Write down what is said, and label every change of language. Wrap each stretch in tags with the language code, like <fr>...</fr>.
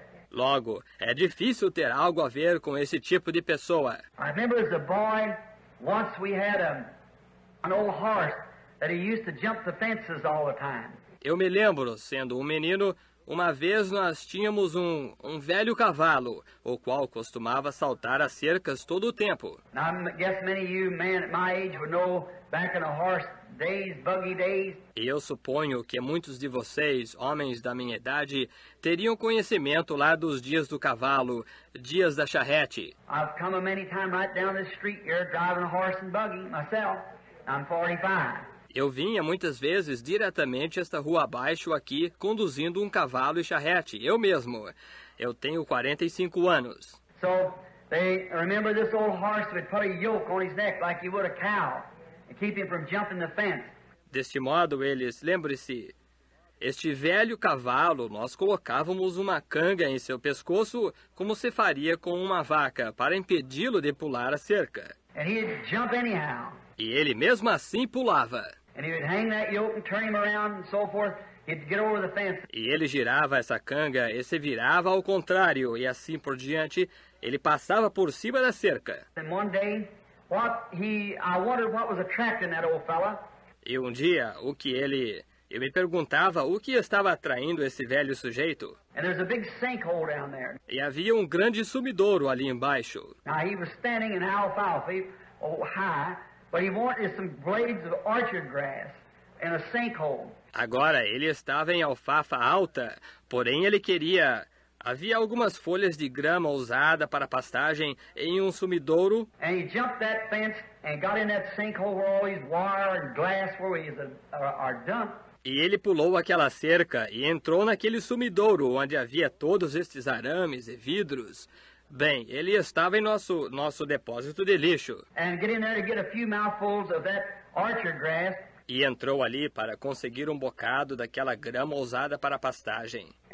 <pt>Logo, é difícil ter algo a ver com esse tipo de pessoa.</pt> <en>I remember as a boy, once we had an old horse that he used to jump the fences all the time.</en> <pt>Eu me lembro, sendo menino, uma vez nós tínhamos um velho cavalo, o qual costumava saltar as cercas todo o tempo.</pt> <en>Now, I guess many of you men at my age would know back in a horse days, buggy days.</en> <pt>E eu suponho que muitos de vocês, homens da minha idade, teriam conhecimento lá dos dias do cavalo, dias da charrete.</pt> <en>I've come a many time right down this street here driving a horse and buggy myself. I'm 45.</en> <pt>Eu vinha muitas vezes diretamente esta rua abaixo aqui, conduzindo um cavalo e charrete, eu mesmo. Eu tenho 45 anos.</pt> <en>So, they remember this old horse would put a yoke on his neck like he would a cow, and keep him from jumping the fence.</en> <pt>Deste modo, eles, lembre-se, este velho cavalo, nós colocávamos uma canga em seu pescoço, como se faria com uma vaca, para impedi-lo de pular a cerca.</pt> <en>And he'd jump anyhow.</en> <pt>E ele mesmo assim pulava.</pt> <en>And he would hang that yoke and turn him around and so forth. He'd get over the fence.</en> <pt>E ele girava essa canga e se virava ao contrário e assim por diante, ele passava por cima da cerca.</pt> <en>And one day, I wondered what was attracting that old fella.</en> <pt>E um dia, eu me perguntava o que estava atraindo esse velho sujeito.</pt> <en>And there's a big sinkhole down there.</en> <pt>E havia um grande sumidouro ali embaixo.</pt> <en>Now he was standing in alfalfa, oh, high, but he wanted some blades of orchard grass and a sinkhole.</en> <pt>Agora ele estava em alfafa alta, porém ele queria. Havia algumas folhas de grama usada para pastagem em um sumidouro.</pt> <en>And he jumped that fence and got in that sinkhole where all these wire and glass where we are dumped.</en> <pt>E ele pulou aquela cerca e entrou naquele sumidouro onde havia todos estes arames e vidros. Bem, ele estava em nosso depósito de lixo.</pt> <en>And get in there to get a few mouthfuls of that orchard grass.</en> <pt>E entrou ali para conseguir um bocado daquela grama usada para pastagem.</pt>